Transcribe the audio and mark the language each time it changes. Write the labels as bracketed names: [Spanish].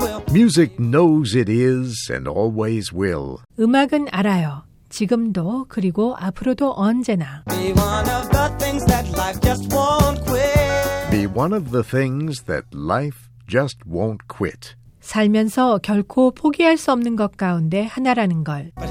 [English] Music knows it is and always will. [Korean] 음악은 알아요. 지금도 그리고 앞으로도 언제나. [English] Be one of the things that life just won't quit. Be one of the things that life just won't quit. [Korean] 살면서 결코 포기할 수 없는 것 가운데 하나라는 걸.